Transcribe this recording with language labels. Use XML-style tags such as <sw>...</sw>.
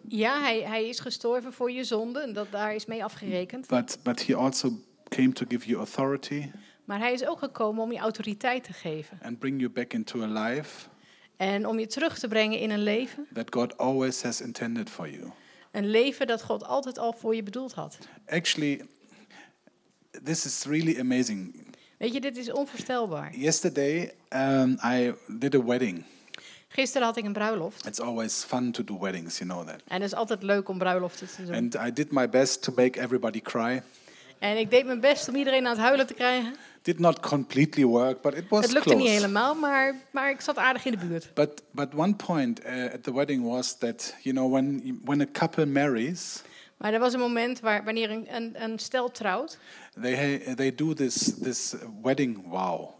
<nl>Ja, hij is gestorven voor je zonde en dat daar is mee afgerekend.</nl> <en>But he also came to give you authority.</en> <nl>Maar hij is ook gekomen om je autoriteit te geven.</nl> <en>And bring you back into a life.</en> <nl>En om je terug te brengen in een leven.</nl> <en>That God always has intended for you.</en> <nl>Een leven dat God altijd al voor je bedoeld had.</nl> <en>Actually, this is really amazing.</en> <nl>Weet je, dit is onvoorstelbaar.</nl> <en>Yesterday, I did a wedding.</en> <nl>Gisteren had ik een bruiloft.</nl> <en>It's always fun to do weddings, you know that.</en> <nl>En het is altijd leuk om bruiloften te doen.</nl> <en>And I did my best to make everybody cry.</en> <nl>En ik deed mijn best om iedereen aan het huilen te krijgen.</nl> <en>Did not completely work, but it was</en> <nl>close. Het lukte</nl> <en>close.</en> <nl>Niet helemaal, maar ik zat aardig in de buurt.</nl> <en>But one point at the wedding was that, you know, when a couple marries.</en> <nl>Maar er was een moment wanneer een stel trouwt.</nl> <en>They do this wedding vow.</en>